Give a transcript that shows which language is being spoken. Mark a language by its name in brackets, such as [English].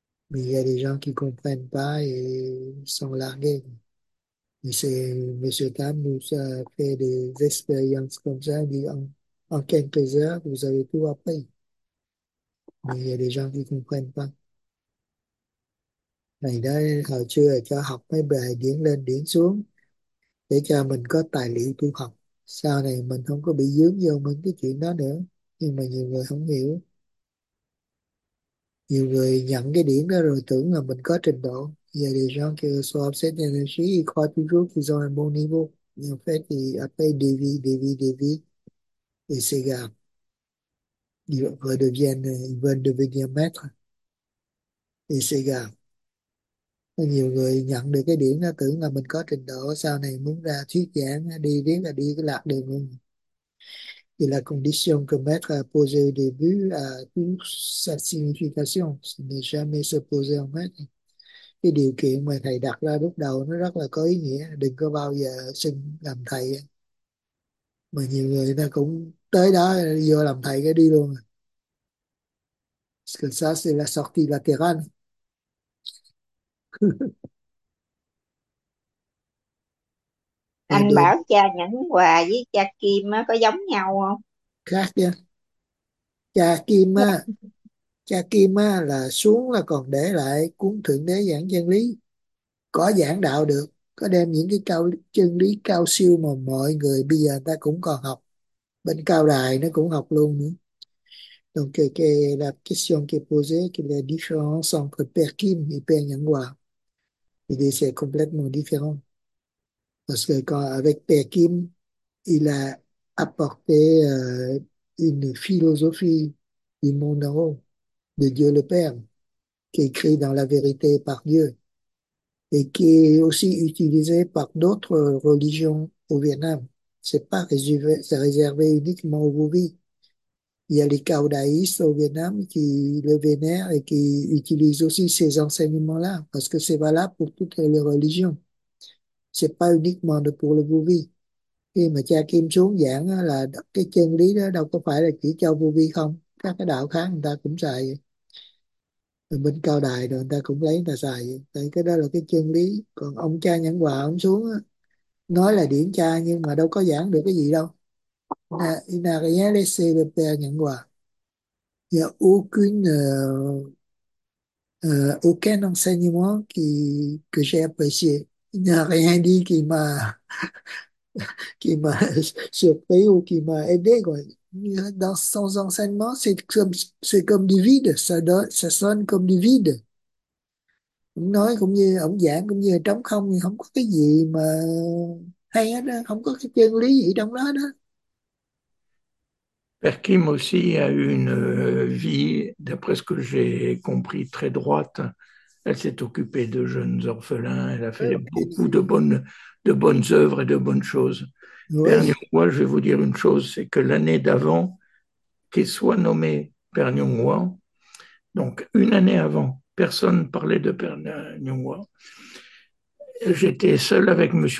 [French] Mais il y a des gens qui ne comprennent pas et sont largués. Et c'est M. Tam nous a fait des expériences comme ça, dit en quelques heures, vous avez tout appris. Mais il y a des gens qui ne comprennent pas. [Vietnamese] Mày nói hồi xưa là cho học mấy bài điển lên điển xuống để cho mình có tài liệu tu học, sau này mình không có bị dướng vô mấy cái chuyện đó nữa. Nhưng mà nhiều người không hiểu, nhiều người nhận cái điển đó rồi tưởng là mình có trình độ. Giờ thì [French] gens qui sont obsédés d'énergie, ils croient toujours qu'ils ont un bon niveau, mais en fait ils appellent Devi, et c'est grave. Ils veulent devenir maître et c'est grave. [Vietnamese] Nhiều người nhận được cái điểm nó tưởng là mình có trình độ, sau này muốn ra thuyết giảng đi đến là đi cái lạc đường mình. Thì là [French] condition que maître a posé au début à toute sa signification, ce n'est jamais se poser en maître. [Vietnamese] Cái điều kiện mà thầy đặt ra lúc đầu nó rất là có ý nghĩa, đừng có bao giờ xin làm thầy. Mà nhiều người ta cũng tới đó vô làm thầy cái đi luôn. Còn [French] ça, c'est la sortie latérale. [Vietnamese] Mà Anh bảo cha Nhẫn Hòa với cha Kim á có giống nhau khác nha. Cha Kim không? á, cha Kim á là xuống là còn để lại cuốn Thượng Đế giảng chân lý, có giảng đạo được, có đem những cái cao chân lý cao siêu mà mọi người bây giờ ta cũng còn học, bên cao đài nó cũng học luôn nữa. [French] Donc la question qui est posée, qui est la différence entre Père Kim et Père Nhẫn Hòa. Et c'est complètement différent. Parce que quand, avec Père Kim, il a apporté une philosophie du monde en haut, de Dieu le Père, qui est écrit dans la vérité par Dieu, et qui est aussi utilisée par d'autres religions au Vietnam. C'est réservé uniquement aux Bouvis. Il y a les Cao-Daïs au Vietnam qui le vénèrent et qui utilisent aussi ces enseignements-là, parce que c'est valable pour toutes les religions. C'est pas uniquement pour le Bouvi. [Vietnamese] Khi mà cha Kim xuống giảng là cái chân lý đó đâu có phải là chỉ cho Bouvi không, các cái đạo khác người ta cũng xài. Bên Cao Đài rồi người ta cũng lấy người ta xài. Tại cái đó là cái chân lý. Còn ông cha Nhẫn Hòa ông xuống nói là điển cha nhưng mà đâu có giảng được cái gì đâu. [French] Il n'a rien laissé le Père Nhẫn Hòa. Il n'y a aucun enseignement que j'ai apprécié. Il n'a rien dit qui m'a surpris ou qui m'a aidé, quoi. Dans son enseignement, c'est comme du vide. Ça sonne comme du vide. [Vietnamese] Ông nói cũng như ông giảng cũng như trống không, thì không có cái gì mà hay hết đó. Không có cái chân lý gì trong đó đó. [French] Père Kim aussi a eu une vie, d'après ce que j'ai compris, très droite. Elle s'est occupée de jeunes orphelins, elle a fait beaucoup de bonnes œuvres et de bonnes choses. Père Nyungwa, je vais vous dire une chose, c'est que l'année d'avant qu'il soit nommé Père Nyungwa, donc une année avant, personne ne parlait de Père Nyungwa, j'étais seul avec M.